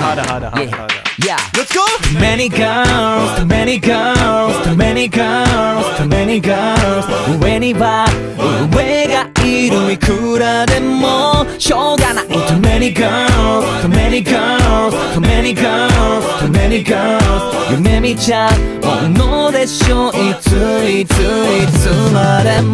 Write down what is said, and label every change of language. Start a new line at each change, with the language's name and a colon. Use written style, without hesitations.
English: many girls, too many girls, too many girls, too many girls.
Japanese: 上には上がいる、いくらでもしょうがない。
English: Too many girls, too many girls, too many girls, too many girls.
Japanese: 夢見ちゃうのでしょ、いついついつまでも。